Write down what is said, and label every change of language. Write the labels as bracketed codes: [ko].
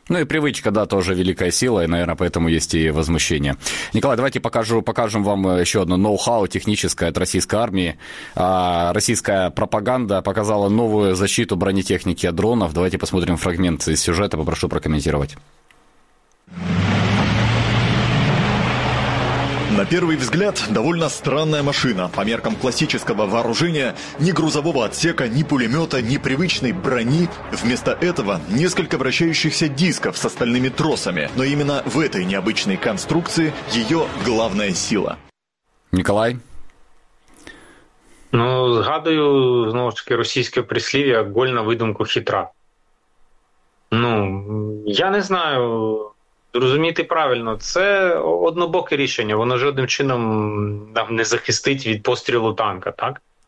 [uk] Ну і привичка, да, теж велика сила, і, мабуть, тому є і возмущення. Николай, давайте покажемо вам ще одне ноу-хау технічне від російської армії. Російська пропаганда показала нову защиту бронетехніки від дронів. Давайте подивимося фрагмент із сюжету, попрошу прокоментувати. [ru] На первый взгляд, довольно странная машина. По меркам классического вооружения, ни грузового отсека, ни пулемета, ни привычной брони. Вместо этого несколько вращающихся дисков с остальными тросами. Но именно в этой необычной конструкции ее главная сила. Николай? [uk] Ну, згадую, знову ж таки, російське прислів'я [ru] «Голь на видумку хитра». [uk] Ну, я не знаю... Зрозуміти правильно, це однобоке рішення, воно жодним чином нам не захистить від пострілу танка, так?